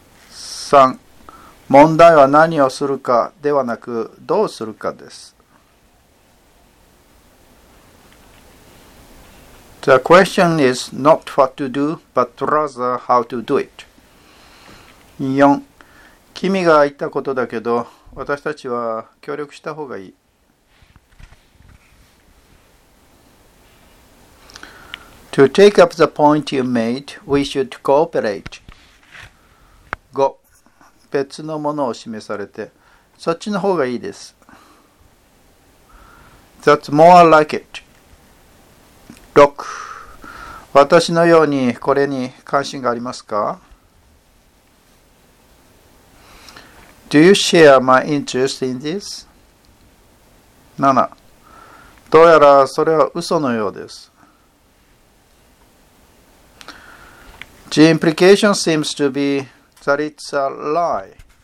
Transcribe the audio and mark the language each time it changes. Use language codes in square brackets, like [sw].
[ja] 三、問題は何をするかではなく、どうするかです。 [en] The question is not what to do, but rather how to do it. 4. [ja] 君が言ったことだけど、私たちは協力した方がいい。 [en] To take up the point you made, we should cooperate. 5. [ja] 別のものを示されて、そっちの方がいいです。 [en] That's more like it. [ja] 私のようにこれに関心がありますか? [en] Do you share my interest in this? 7. [ja] どうやらそれは嘘のようです。 [en] The implication seems to be that it's a lie.